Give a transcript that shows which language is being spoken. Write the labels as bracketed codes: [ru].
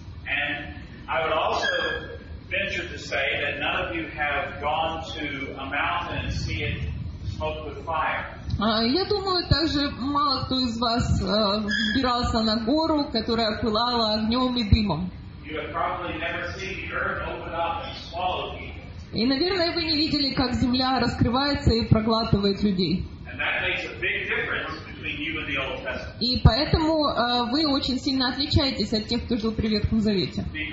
[en] And I would also venture to say that none of you have gone to a mountain and see it smoke with fire. [ru] Я думаю, также мало кто из вас взбирался на гору, которая пылала огнем и дымом. [en] You have probably never seen the earth open up and swallow people. [ru] И, наверное, вы не видели, как земля раскрывается и проглатывает людей. [en] And that makes a big difference. [ru] И поэтому вы очень сильно отличаетесь от тех, кто жил при Ветхом Завете.